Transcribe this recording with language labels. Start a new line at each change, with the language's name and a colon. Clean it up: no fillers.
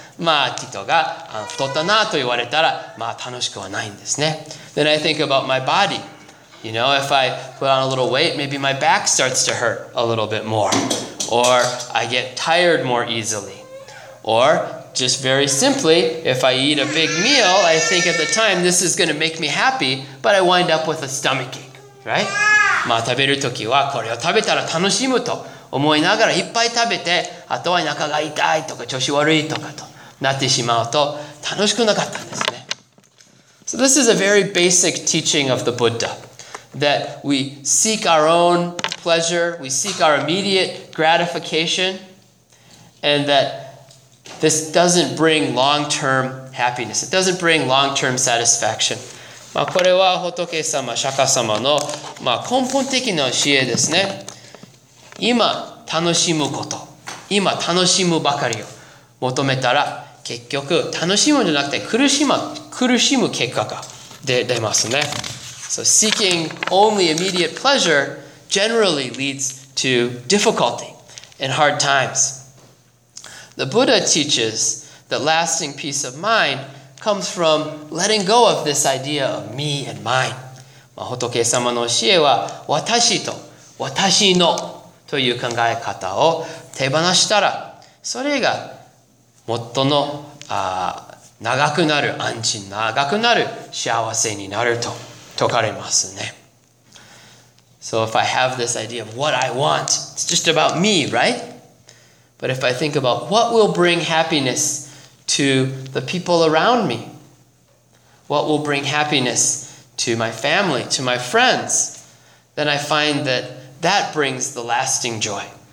Japanese: まあ、人が太ったなと言われたら、まあ楽しくはないんですね。
English: Then I think about my body. If I put on a little weight, maybe my back starts to hurt a little bit more. Or I get tired more easily. Or, just very simply, if I eat a big meal, I think at the time this is going to make me happy, but I wind up with a stomachache, right?
Japanese: まあ、食べるときはこれを食べたら楽しむと思いながらいっぱい食べて、あとは中が痛いとか調子悪いとかとなってしまうと楽しくなかったんですね。
English: So this is a very basic teaching of the Buddha, that we seek our own pleasure, we seek our immediate gratification, and that this doesn't bring long-term happiness, it doesn't bring long-term satisfaction.
Japanese: まあ、これは仏様、釈迦様のまあ根本的な教えですね。今楽しむこと、今楽しむばかりを求めたら、結局楽しむんじゃなくて苦しむ結果が出ますね。
English: So seeking only immediate pleasure generally leads to difficulty and hard times. The Buddha teaches that lasting peace of mind. Comes from letting go of this idea of me and mine.
Japanese: まあ、仏様の教えは私と私のという考え方を手放したら、それが最の長くなる安心、長くなる幸せになると説かれますね。
English: So if I have this idea of what I want, it's just about me, right? But if I think about what will bring happiness. To the people around me, what will bring happiness to my family, to my friends, then I find that brings the lasting joy.